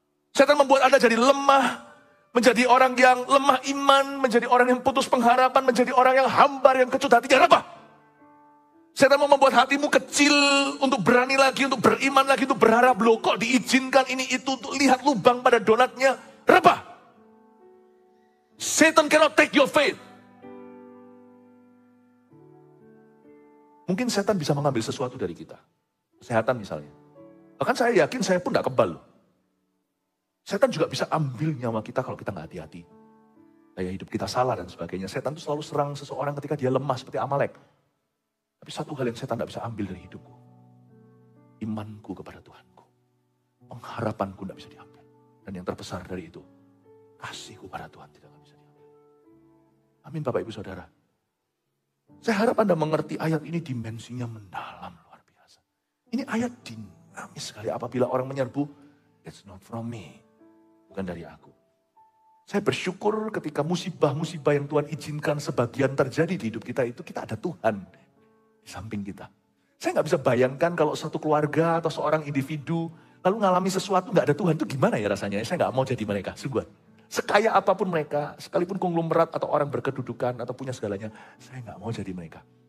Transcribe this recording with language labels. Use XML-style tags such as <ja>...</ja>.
<id>Setan membuat Anda jadi lemah, menjadi orang yang lemah iman, menjadi orang yang putus pengharapan, menjadi orang yang hambar, yang kecut hatinya, rebah. Setan mau membuat hatimu kecil untuk berani lagi, untuk beriman lagi, untuk berharap, loh kok diizinkan ini itu untuk lihat lubang pada donatnya, rebah.</id> <en>Satan cannot take your faith.</en> <id>Mungkin setan bisa mengambil sesuatu dari kita. Kesehatan misalnya. Bahkan saya yakin saya pun gak kebal. Setan juga bisa ambil nyawa kita kalau kita gak hati-hati. Daya hidup kita salah dan sebagainya. Setan itu selalu serang seseorang ketika dia lemah seperti Amalek. Tapi satu hal yang setan gak bisa ambil dari hidupku. Imanku kepada Tuhanku. Pengharapanku gak bisa diambil. Dan yang terbesar dari itu. Kasihku pada Tuhan tidak bisa diambil. Amin Bapak Ibu Saudara. Saya harap Anda mengerti ayat ini dimensinya mendalam, luar biasa. Ini ayat dinamis sekali. Apabila orang menyerbu,</id> <en>it's not from me.</en> <id>Bukan dari aku. Saya bersyukur ketika musibah-musibah yang Tuhan izinkan sebagian terjadi di hidup kita ada Tuhan di samping kita. Saya gak bisa bayangkan kalau satu keluarga atau seorang individu lalu ngalami sesuatu gak ada Tuhan, itu gimana ya rasanya? Saya gak mau jadi mereka, sungguh. Sekaya apapun mereka, sekalipun konglomerat atau orang berkedudukan atau punya segalanya, saya gak mau jadi mereka.</id>